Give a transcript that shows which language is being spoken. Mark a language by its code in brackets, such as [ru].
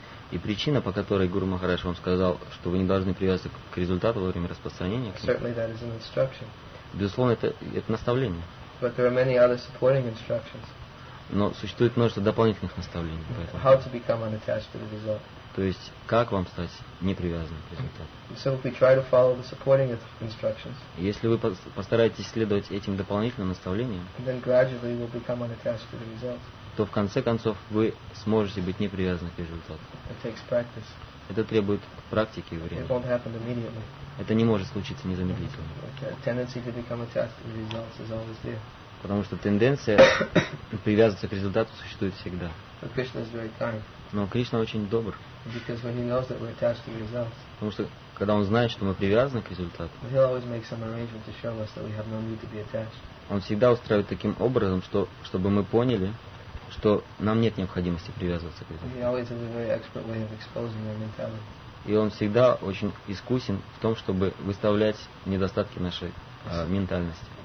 [ru] И причина, по которой Гуру Махарадж вам сказал, что вы не должны привязываться к результату во время распространения, [en] certainly that is an instruction. [ru] Безусловно, это наставление. [en] But there are many other supporting instructions. [ru] Но существует множество дополнительных наставлений. Поэтому. [en] How to become unattached to the result. [ru] То есть, как вам стать непривязанным к результату? [en] So if we try to follow the supporting instructions, [ru] если вы постараетесь следовать этим дополнительным наставлениям, [en] then gradually you will become unattached to the results. [ru] То в конце концов вы сможете быть непривязанным к результату. [en] It takes practice. [ru] Это требует практики и времени. [en] It won't happen immediately. [ru] Это не может случиться незамедлительно. [en] Okay. Tendency to become attached to the results is always there. [ru] Потому что тенденция привязываться к результату существует всегда. [en] But Krishna is very kind. [ru] Но Кришна очень добр. [en] Because when he knows that we're attached to the results, [ru] потому что когда он знает, что мы привязаны к результату, [en] he'll always make some arrangement to show us that we have no need to be attached. [ru] Он всегда устраивает таким образом, чтобы мы поняли, что нам нет необходимости привязываться к результату. [en] He always has a very expert way of exposing our mentality. [ru] И он всегда очень искусен в том, чтобы выставлять недостатки нашей ментальности.